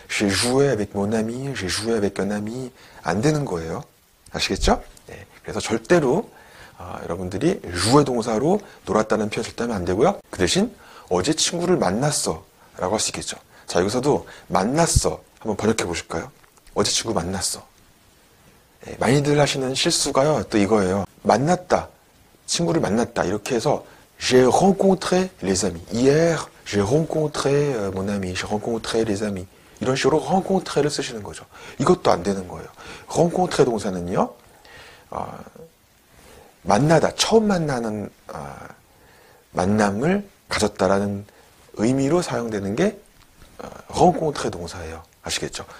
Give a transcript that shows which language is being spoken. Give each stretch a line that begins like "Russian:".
French: J'ai joué avec mon ami, j'ai joué avec un ami.
Korean: 안 되는 거예요. 아시겠죠? 네. 그래서 절대로 여러분들이 joué 동사로 놀았다는 표현을 쓰면 안 되고요. 그 대신 어제 친구를 만났어 라고 할수 있겠죠. 자, 여기서도 만났어 한번 번역해 보실까요? 어제 친구 만났어. 네, 많이들 하시는 실수가요. 또 이거예요. 만났다. 친구를 만났다. 이렇게 해서
French: J'ai rencontré les amis. Hier, j'ai rencontré mon ami. J'ai rencontré les amis.
Korean: 이런 식으로 rencontré를 쓰시는 거죠. 이것도 안 되는 거예요. rencontré 동사는요, 만나다, 처음 만나는, 만남을 가졌다라는 의미로 사용되는 게 rencontré 동사예요. 아시겠죠?